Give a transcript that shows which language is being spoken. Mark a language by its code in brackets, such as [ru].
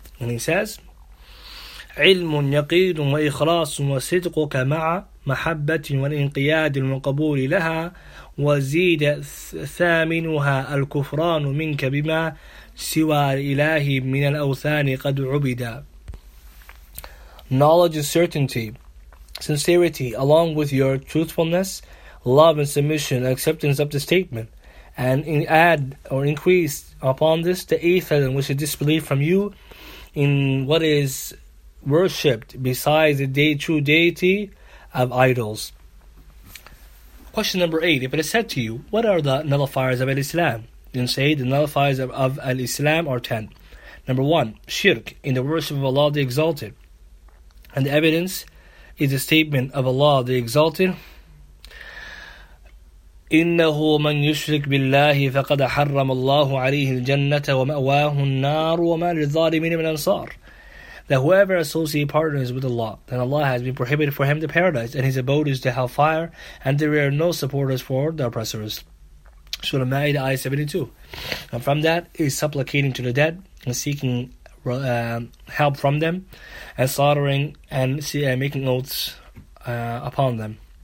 [en] And he says, [ar] علم يقين وإخلاص وصدقك مع محبة والانقياد والقبول لها وزيد ثامنها الكفران منك بما سوى الإله من الأوثان قد عبدا. [en] Knowledge is certainty, sincerity, along with your truthfulness, love and submission, acceptance of the statement. And add or increase upon this the atheism which is disbelief from you in what is worshipped besides the true deity of idols. Question number 8. If it is said to you, what are the nullifiers of Al-Islam? Then say, the nullifiers of Al-Islam are 10. Number 1, shirk in the worship of Allah the Exalted. And the evidence is the statement of Allah the Exalted, [ar] إِنَّهُ مَنْ يُشْرِكْ بِاللَّهِ فَقَدَ حَرَّمَ اللَّهُ عَلَيْهِ الْجَنَّةَ وَمَأْوَاهُ النَّارُ وَمَا لِلظَّالِمِينَ مِنْ أَنصَارٍ. [en] That whoever associates partners with Allah, then Allah has been prohibited for him the paradise, and his abode is the hellfire, and there are no supporters for the oppressors. Surah Ma'idah, Ayah 72. And from that is supplicating to the dead, and seeking help from them, and slaughtering and making oaths upon them.